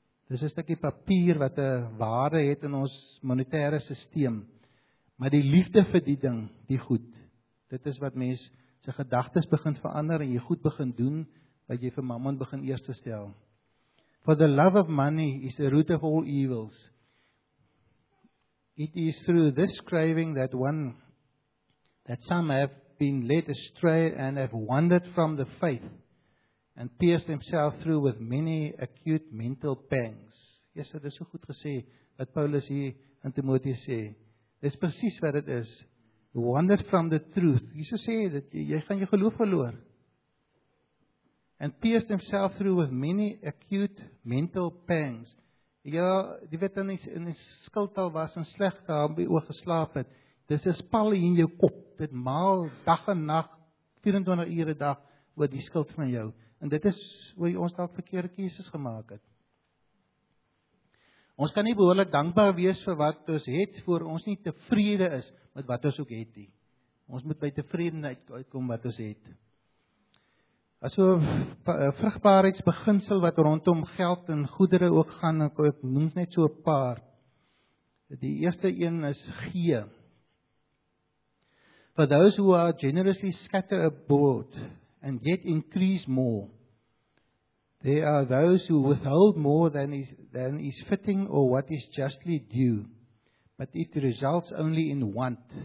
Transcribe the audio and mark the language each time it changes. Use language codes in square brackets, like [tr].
[af] Dis 'n stukkie papier wat 'n waarde het in ons monetêre stelsel. Maar die liefde vir die ding, die goed, dit is wat mens se gedagtes begin verander en jy goed begin doen, wat jy vir mammon begin eers stel. [en] For the love of money is the root of all evils. It is through this craving that some have been led astray and have wandered from the faith and pierced themselves through with many acute mental pangs. [af] Yes, dit is so goed gesê wat Paulus hier aan Timoteus sê. Dit is presies wat dit is. [en] Wandered from the truth. [af] Jesus sê dat jy gaan jou geloof verloor. [en] And pierced themselves through with many acute mental pangs. [af] Ja, die wet dan in die skiltal was en sleg daar by oog geslaap het. Dis 'n spal in jou kop. Dit maal dag en nag, 24 ure dag oor die skuld van jou. En dit is hoe ons dalk verkeerde keuses gemaak het. Ons kan nie behoorlik dankbaar wees vir wat ons het voor ons nie tevrede is met wat ons ook het nie. Ons moet by tevredenheid uitkom wat ons het. As 'n vrugbaarheidsbeginsel wat rondom geld en goedere ook gaan, ek noem net so 'n paar. Die eerste een is gee. [en] For those who are generously scatter abroad and yet increase more, there are those who withhold more than is fitting or what is justly due, but it results only in want.